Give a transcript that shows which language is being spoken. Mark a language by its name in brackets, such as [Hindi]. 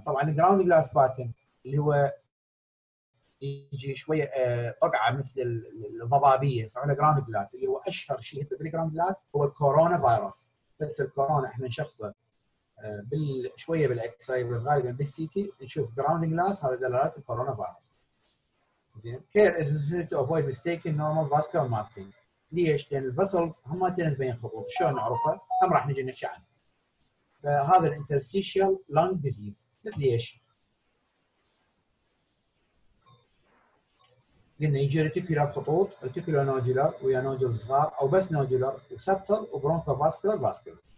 [Arabic] طبعا الجراوند جلاس باترن اللي هو يجي شويه طقعه مثل الضبابيه صح ولا جراوند جلاس اللي هو اشهر شيء هسه بالجراوند جلاس هو الكورونا فيروس. بس الكورونا احنا نشخصه شويه بالاكس راي غالبا بالسي تي نشوف جراوند جلاس هذا دلالات الكورونا فيروس. [English] زين care is necessary to avoid mistaking normal vascular marking. [Arabic] ليش؟ لان الفصلز هم تبين خطوط. شلون نعرفها؟ هم راح نجي نحكي عنها. فهذا الانترستيشال لونج ديزيز مثل ايش؟ قلنا يجي ريتيكولار خطوط ريتيكولار نودولار ويا نودول صغار او بس نودولار وسبتر وبرونكو فاسكولار فاسكولار.